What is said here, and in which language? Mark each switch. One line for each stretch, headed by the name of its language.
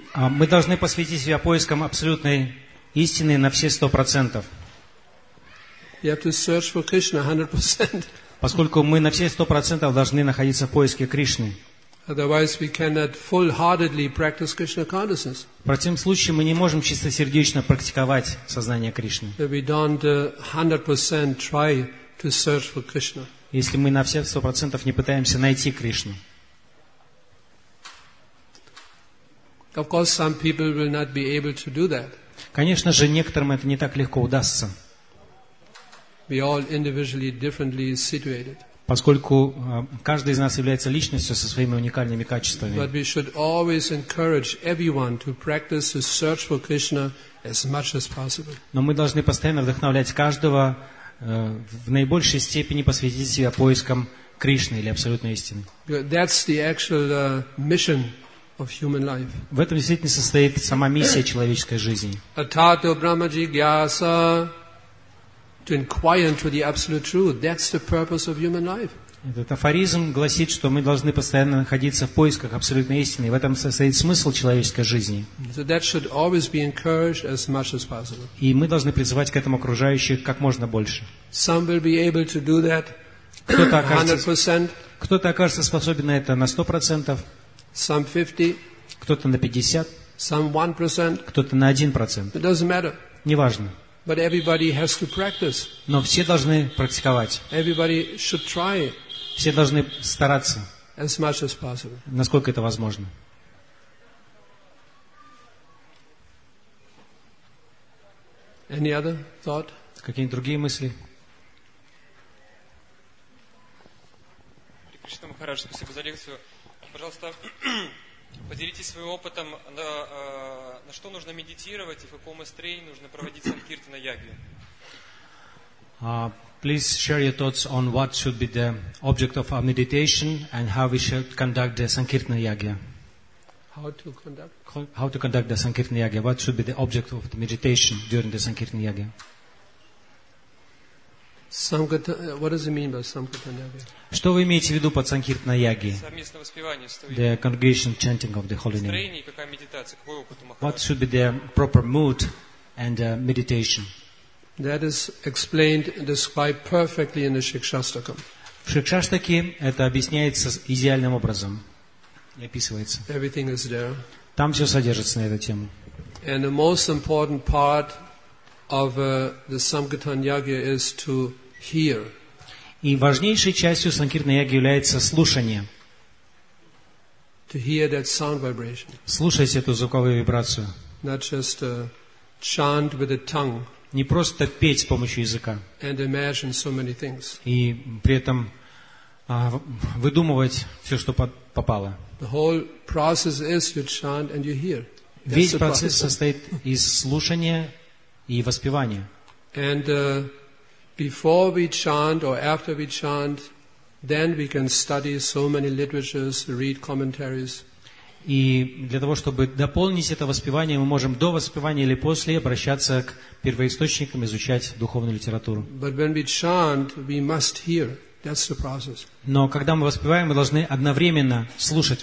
Russian: Мы должны посвятить себя поискам абсолютной истины на все 100%.
English: You have to search for Krishna 100%.
Russian: Поскольку мы на все 100% должны находиться в поиске Кришны.
English: Otherwise we cannot full-heartedly practice Krishna consciousness.
Russian: В противном случае мы не можем чистосердечно практиковать сознание Кришны.
English: If we don't 100% try to search for Krishna.
Russian: Если мы на все 100% не пытаемся найти Кришну.
English: Of course some people will not be able to do that.
Russian: Конечно же, некоторым это не так легко удастся.
English: We all individually differently situated.
Russian: Поскольку каждый из нас является личностью со своими уникальными качествами.
English: But we should always encourage everyone to practice to search for Krishna as much as possible.
Russian: Но мы должны постоянно вдохновлять каждого в наибольшей степени посвятить себя поискам Кришны или абсолютной истины.
English: That's the actual mission of human life.
Russian: В этом действительно состоит сама миссия человеческой жизни.
Sanskrit: Atato Brahma Jigyasa,
English: to inquire into the absolute truth. That's the purpose of human life.
Russian: Этот афоризм гласит, что мы должны постоянно находиться в поисках абсолютной истины. В этом состоит смысл человеческой жизни.
English: So that should always be encouraged as much as possible.
Russian: И мы должны призывать к этому окружающих как можно больше.
English: Some will be able to do that 100%.
Russian: Кто-то окажется способен на это на 100%.
English: Some 50.
Russian: Кто-то на 50.
English: Some 1%.
Russian: Кто-то на 1%.
English: It doesn't matter.
Russian: Неважно.
English: But everybody has to practice.
Russian: Но все должны практиковать.
English: Everybody should try.
Russian: Все должны стараться.
English: As much as possible.
Russian: Насколько это возможно.
English: Any other thought?
Russian: Какие-нибудь другие мысли? Кришна Махарадж, спасибо за лекцию. Пожалуйста, поделитесь своим опытом, на что нужно медитировать и в каком настроении нужно проводить санкиртана яги.
English: Please share your thoughts on what should be the object of our meditation and how we should conduct the sankirtana yagya. How to conduct the sankirtana yagya? What should be the object of the meditation during the sankirtana yagya? Samkata, what does it mean by samkata yagya?
Russian: Что вы имеете в виду под санкиртана яги? Совместное воспевание,
English: the congregation chanting of the holy name.
Russian: Настроение, какая медитация, какой опыт у Махараджа?
English: What should be the proper mood and meditation? That is explained and described perfectly in the Shikshastakam.
Russian: В Шикшаштаке это объясняется идеальным образом. И описывается.
English: Everything is there.
Russian: Там все содержится на эту тему.
English: And the most important part of the Samkirtan Yagya is to hear.
Russian: И важнейшей частью Санкиртана Яги является слушание.
English: To hear that sound vibration.
Russian: Слушать эту звуковую вибрацию.
English: Not just chant with the tongue.
Russian: Не просто петь с помощью языка.
English: And imagine so many things.
Russian: И при этом выдумывать все, что попало.
English: The whole process is you chant and you hear.
Russian: Весь процесс состоит из слушания и воспевания.
English: And before we chant or after we chant, then we can study so many literatures, read commentaries.
Russian: И для того, чтобы дополнить это воспевание, мы можем до воспевания или после обращаться к первоисточникам, изучать духовную литературу.
English: But when we chant, we must hear. That's the process.
Russian: Но когда мы воспеваем, мы должны одновременно слушать.